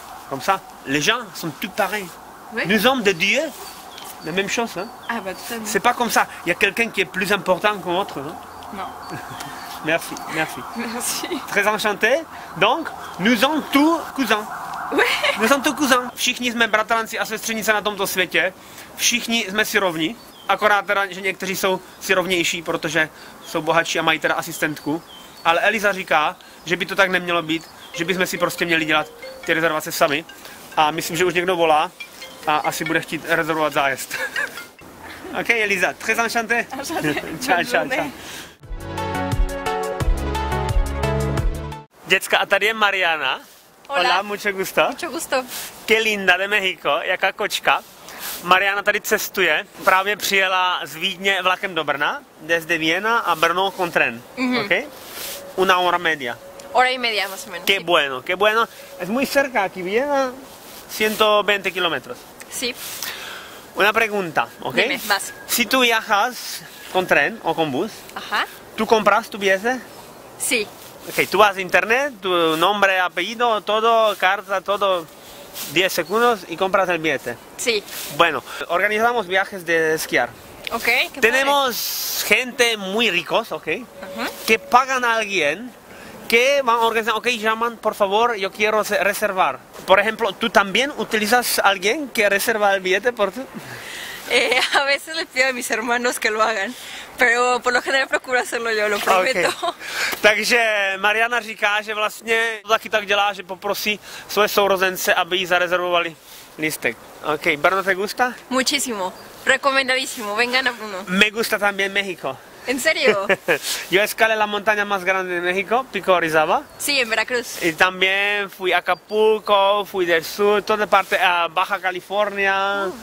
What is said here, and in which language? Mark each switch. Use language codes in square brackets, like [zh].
[fr] Comme ça, les gens sont tous pareils. Oui. Nous sommes des dieux. La même chose, hein? Ah bah tout à fait. C'est pas comme ça. Il y a quelqu'un qui est plus important qu'un autre, hein? Non. Merci, merci. Merci. Très enchanté. Donc, nous sommes tous cousins. Oui. Nous sommes tous cousins. [cs] Všichni jsme bratranci a sestřenice na tomto světě. Všichni jsme si rovni. Akorát teda, že někteří jsou si rovnější, protože jsou bohatší a mají teda asistentku. Ale Eliza říká, že by to tak nemělo být, že bychom si prostě měli dělat ty rezervace sami. A myslím, že už někdo volá. A asi bude chtít rezervovat zájezd. [fr] Ok, Eliza, très enchanté. Enchanté. [cs] Čau, čau, čau. Děcka, a tady je Mariana. [es] Hola. Hola, mucho gusto. Mucho gusto. Qué linda de México, [cs] jaká kočka. [es] Mariana tady cestuje, právě přijela z Vídně vlakem do Brna. Desde Viena a Brno con tren. Mm-hmm. Ok? Una hora media. Hora y media, más o menos. Qué bueno, qué bueno. Es muy cerca aquí, Viena. 120 kilómetros. Sí. Una pregunta, ¿ok? Dime, vas. Si tú viajas con tren o con bus, ajá. ¿Tú compras tu billete? Sí. Ok, tú vas a internet, tu nombre, apellido, todo, carta, todo, 10 segundos y compras el billete. Sí. Bueno, organizamos viajes de esquiar. Ok, qué padre. Tenemos gente muy ricos, ¿ok? Ajá. Que pagan a alguien... ¿Qué van a organizar? Ok, llaman, por favor, yo quiero reservar. Por ejemplo, ¿tú también utilizas a alguien que reserva el billete por tú? A veces le pido a mis hermanos que lo hagan, pero por lo general procuro hacerlo yo, lo prometo. [en] Okay. [cs] Takže Mariana říká, že vlastně taky tak dělá, že poprosí svoje sourozence, aby jí zarezervovali lístek. [es] Ok, ¿Brno te gusta? Muchísimo, recomendadísimo, vengan a Bruno. Me gusta también México. ¿En serio? Yo escalé la montaña más grande de México, Pico Orizaba. Sí, en Veracruz. Y también fui a Acapulco, fui del sur, toda parte a Baja California.